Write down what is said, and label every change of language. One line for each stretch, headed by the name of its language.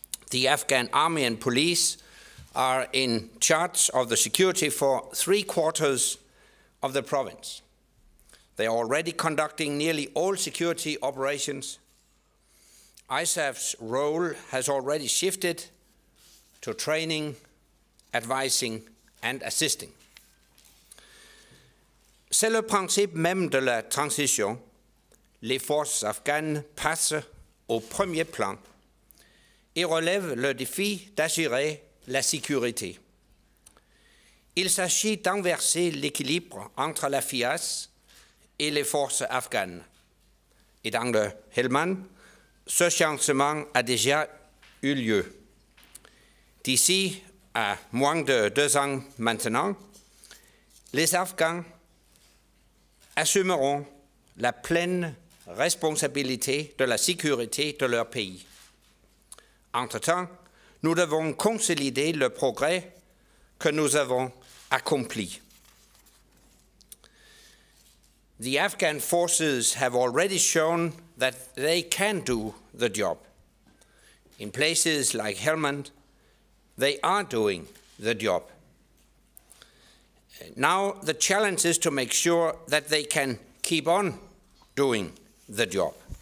English: The Afghan army and police are in charge of the security for three quarters of the province. They are already conducting nearly all security operations. ISAF's role has already shifted to training, advising, and assisting.
French: C'est le principe même de la transition. Les forces afghanes passent au premier plan et relèvent le défi d'assurer la sécurité. Il s'agit d'inverser l'équilibre entre la FIAS et les forces afghanes. Et dans le Helmand, ce changement a déjà eu lieu. D'ici à moins de deux ans maintenant, les Afghans assumeront la pleine responsabilité de la sécurité de leur pays. Entre-temps, nous devons consolider le progrès que nous avons accompli.
English: The Afghan forces have already shown that they can do the job. In places like Helmand, they are doing the job. Now the challenge is to make sure that they can keep on doing the job.